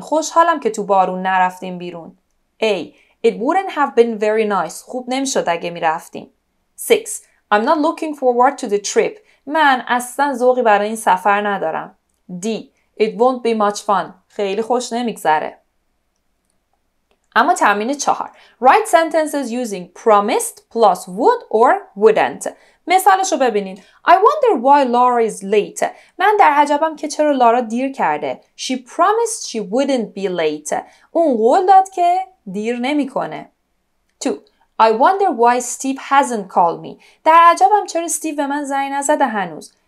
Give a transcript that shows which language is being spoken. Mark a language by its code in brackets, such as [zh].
[fa] خوشحالم که تو بارون نرفتیم بیرون. [en] A. It wouldn't have been very nice. [fa] خوب نمیشد اگه میرفتیم. [en] 6. I'm not looking forward to the trip. [fa] من اصلا ذوقی برای این سفر ندارم. [en] D. It won't be much fun. [fa] خیلی خوش نمیگذره. اما تمرین 4. [en] Write sentences using promised plus would or wouldn't. [fa] مثالشو ببینین. [en] I wonder why Laura is late. [fa] من در عجبم که چرا لارا دیر کرده. [en] She promised she wouldn't be late. [fa] اون قول داد که دیر نمی کنه. [en] 2. I wonder why Steve hasn't called me. [fa] در عجبم چرا استیو به من زنگ نزده هنوز.